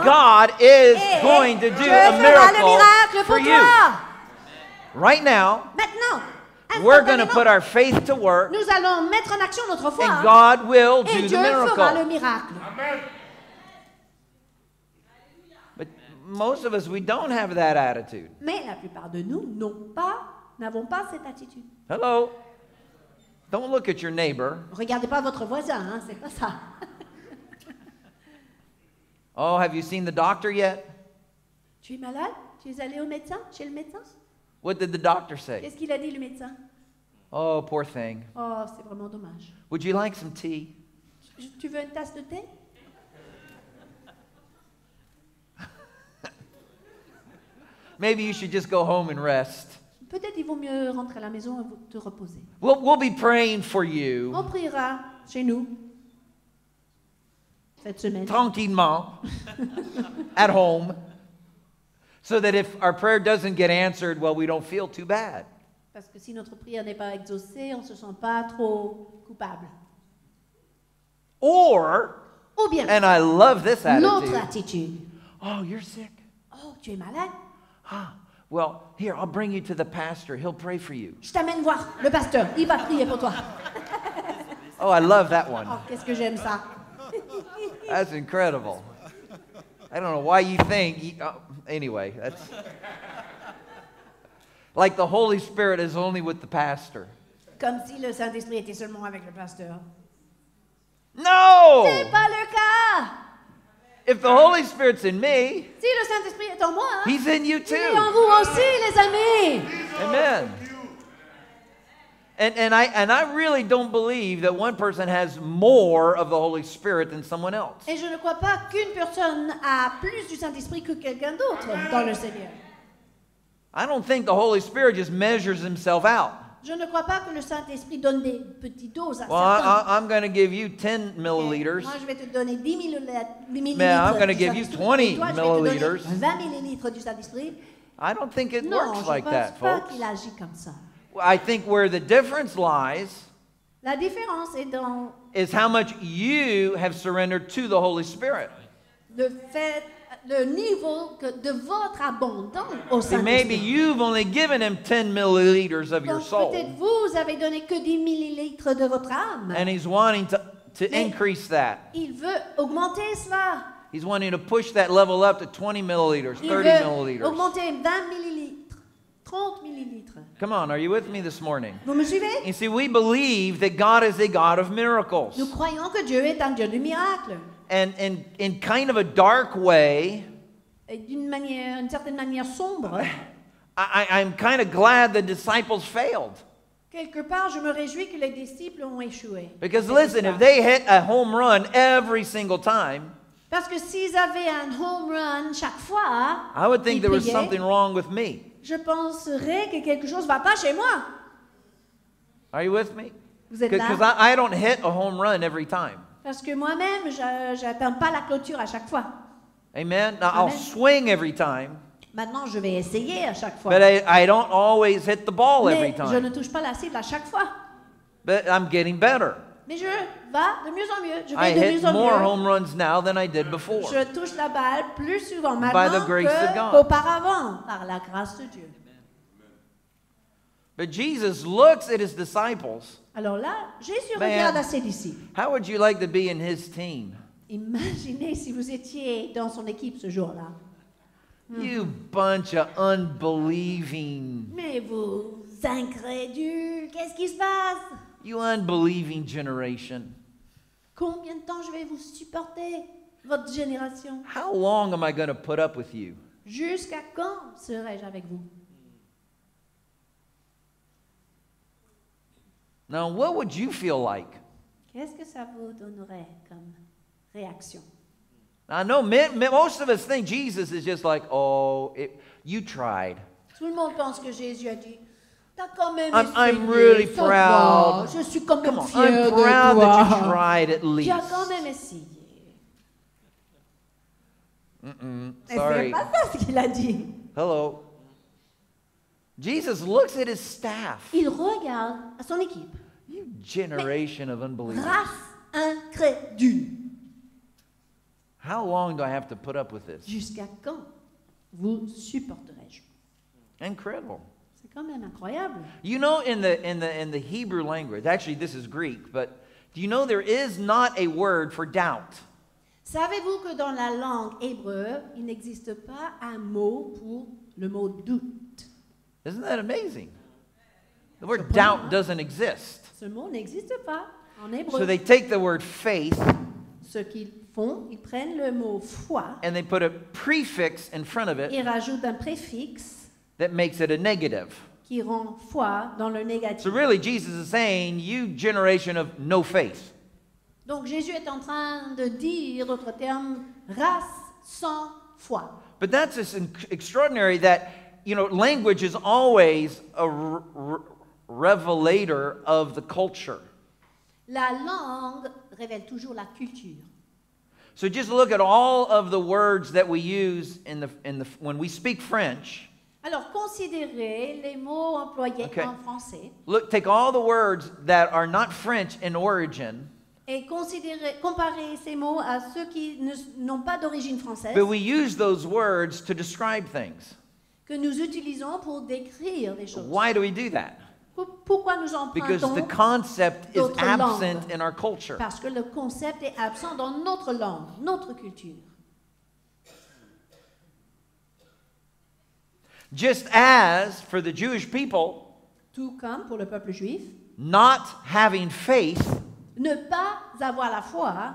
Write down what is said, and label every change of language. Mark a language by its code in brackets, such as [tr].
[en] And God is going to do a miracle for you. Right now. [fr] Maintenant. [en] We're going to put our faith to work. [fr] Nous allons mettre en action notre foi. [en] And God will do the miracle. [fr] Et Dieu fera le miracle. [en] Amen. Most of us, we don't have that attitude. [fr] Mais la plupart de nous n'avons pas cette attitude. [en] Hello. Don't look at your neighbor. [fr] Regardez pas votre voisin, hein, c'est pas ça. [en] Oh, have you seen the doctor yet? [fr] Tu es malade? Tu es allé au médecin? Chez le médecin? [en] What did the doctor say? [fr] Qu'est-ce qu'il a dit le médecin? [en] Oh, poor thing. [fr] Oh, c'est vraiment dommage. [en] Would you like some tea? [fr] Tu veux une tasse de thé? [en] Maybe you should just go home and rest. [fr] Peut-être il vaut mieux rentrer à la maison et te reposer. [en] We'll be praying for you. [fr] On priera chez nous cette semaine. Tranquillement, [en] at home, so that if our prayer doesn't get answered, well, we don't feel too bad. [fr] Parce que si notre prière n'est pas exaucée, on se sent pas trop coupable. [en] Or, [fr] ou bien, [en] and I love this attitude. [fr] Notre attitude. [en] Oh, you're sick. [fr] Oh, tu es malade. [en] Well, here, I'll bring you to the pastor. He'll pray for you. [fr] Je t'amène voir le pasteur. Il va prier pour toi. [en] Oh, I love that one. [fr] Oh, qu'est-ce que j'aime ça. [en] That's incredible. I don't know why you think. Anyway, that's like the Holy Spirit is only with the pastor. [fr] Comme si le Saint-Esprit était seulement avec le pasteur. [en] No! [fr] C'est pas le cas! [en] If the Holy Spirit's in me, [fr] si le Saint-Esprit est en moi, [en] he's in you too. [fr] Il est en vous aussi, les amis. [en] Amen. And I really don't believe that one person has more of the Holy Spirit than someone else. [fr] Et je ne crois pas qu'une personne a plus du Saint-Esprit que quelqu'un d'autre dans le Seigneur. [en] I don't think the Holy Spirit just measures himself out. [fr] Je ne crois pas que le Saint-Esprit donne des petites doses à [en] well, [fr] certains. [en] I'm going to give you 10 milliliters. [fr] Moi, je vais te donner 10 millilitres. [en] Man, I'm going to give you 20 milliliters. [fr] 20 millilitres du Saint-Esprit. [en] I don't think it [fr] non, [en] works like that, folks. [fr] Non, je pense pas qu'il agit comme ça. [en] I think where the difference lies. [fr] La différence est dans. [en] Is how much you have surrendered to the Holy Spirit. [fr] Le fait. Le niveau que de votre abondance au Saint-Esprit. [en] Maybe you've only given him 10 milliliters of your soul. [fr] Peut-être vous avez donné que 10 millilitres de votre âme. [en] And he's wanting to increase that. [fr] Il veut augmenter cela. [en] He's wanting to push that level up to 20 milliliters, 30 milliliters. [fr] Augmenter 20 millilitres, 30 millilitres. [en] Come on, are you with me this morning? [fr] Vous me suivez? [en] You see, we believe that God is a God of miracles. [fr] Nous croyons que Dieu est un Dieu de miracles. [en] And in kind of a dark way, [fr] d'une manière, une certaine manière sombre, [en] I'm kind of glad the disciples failed. [fr] Quelque part, je me réjouis que les disciples ont échoué. [en] Because listen, if they hit a home run every single time, [fr] parce que s'ils avaient un home run chaque fois, [en] I would think there was something wrong with me. [fr] Je penserais que quelque chose va pas chez moi. [en] Are you with me? [fr] Vous êtes là? [en] Because I don't hit a home run every time. [fr] Parce que moi-même, j'atteins pas la clôture à chaque fois. [en] Amen. Now, I'll swing every time. [fr] Maintenant, je vais essayer à chaque fois. [en] But I don't always hit the ball [fr] Mais [en] every time. [fr] Je ne touche pas la cible à chaque fois. [en] But I'm getting better. [fr] Mais je vais de mieux en mieux. Je vais de mieux en mieux. [en] I hit more home runs now than I did before. [fr] Je touche la balle plus souvent maintenant qu'auparavant, par la grâce de Dieu. [en] But Jesus looks at his disciples. [fr] Alors là, Jésus regarde à ses disciples. [en] How would you like to be in his team? [fr] Imaginez si vous étiez dans son équipe ce jour-là. [en] You bunch of unbelieving. [fr] Mais vous incrédules, qu'est-ce qui se passe? [en] You unbelieving generation. [fr] Combien de temps je vais vous supporter, votre génération? [en] How long am I going to put up with you? [fr] Jusqu'à quand serai-je avec vous? [en] Now, what would you feel like? [fr] Qu'est-ce que ça vous donnerait comme réaction? [en] I know most of us think Jesus is just like, you tried. [fr] Tout le monde pense que Jésus a dit, t'as quand même [en] I'm really proud. [fr] Je suis quand même fier de toi. [en] I'm proud that you tried at least. [fr] Tu as quand même essayé. [en] Mm-mm, sorry. [fr] Et c'est pas ça ce qu'il a dit. [en] Hello. Jesus looks at his staff. [fr] Il regarde à son équipe. [en] You generation of unbelievers. [fr] Race incrédule. [en] How long do I have to put up with this? [fr] Jusqu'à quand vous supporterai-je? [en] Incredible. [fr] C'est quand même incroyable. [en] You know, in the Hebrew language, actually this is Greek, but do you know there is not a word for doubt? [fr] Savez-vous que dans la langue hébreu, il n'existe pas un mot pour le mot doute? [en] Isn't that amazing? The word doubt doesn't exist. [fr] Ce mot n'existe pas en hébreu. [en] So they take the word faith. [fr] Ce qu'ils font, ils prennent le mot foi. [en] And they put a prefix in front of it. [fr] Ils rajoutent un préfixe. [en] That makes it a negative. [fr] Qui rend foi dans le négatif. [en] So really, Jesus is saying, you generation of no faith. [fr] Donc Jésus est en train de dire, d'autres termes, race sans foi. [en] But that's just extraordinary that, you know, language is always a revelator of the culture. [fr] La langue révèle toujours la culture. [en] So just look at all of the words that we use in the when we speak French. [fr] Alors considérez les mots employés [en] okay. [fr] en français. [en] Look, take all the words that are not French in origin. [fr] Et comparez ces mots à ceux qui n'ont pas d'origine française. [en] But we use those words to describe things. [fr] Que nous utilisons pour décrire les choses. [en] Why do we do that? [fr] Pourquoi nous empruntons [en] Because the concept is absent in our culture. [fr] Parce que le concept est absent dans notre langue, notre culture. [en] Just as for the Jewish people, [fr] tout comme pour le peuple juif, [en] not having faith, [fr] ne pas avoir la foi,